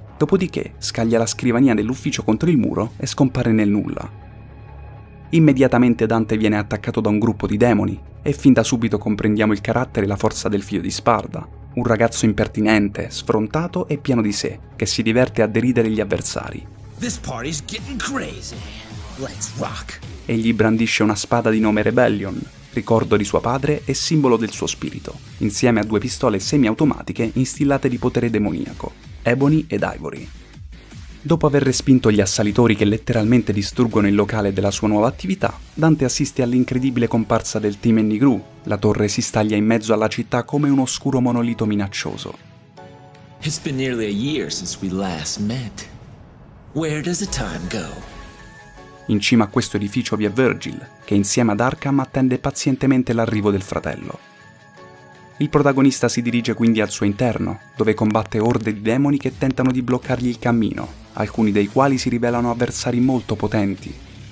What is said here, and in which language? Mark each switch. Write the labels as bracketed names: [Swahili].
[Italian] Dopodiché scaglia la scrivania dell'ufficio contro il muro e scompare nel nulla. Immediatamente Dante viene attaccato da un gruppo di demoni e fin da subito comprendiamo il carattere e la forza del figlio di Sparda, un ragazzo impertinente, sfrontato e pieno di sé, che si diverte a deridere gli avversari. [English] This party's getting crazy. Let's rock. [Italian] Egli brandisce una spada di nome Rebellion, ricordo di suo padre e simbolo del suo spirito, insieme a due pistole semiautomatiche instillate di potere demoniaco. Ebony ed Ivory. Dopo aver respinto gli assalitori che letteralmente distruggono il locale della sua nuova attività, Dante assiste all'incredibile comparsa del team Enigru. La torre si staglia in mezzo alla città come un oscuro monolito minaccioso. [English] It's been nearly a year since we last met. Where does the time go? [Italian] In cima a questo edificio vi è Virgil, che insieme ad Arkham attende pazientemente l'arrivo del fratello. Il protagonista si dirige quindi al suo interno, dove combatte orde di demoni che tentano di bloccargli il cammino, alcuni dei quali si rivelano avversari molto potenti.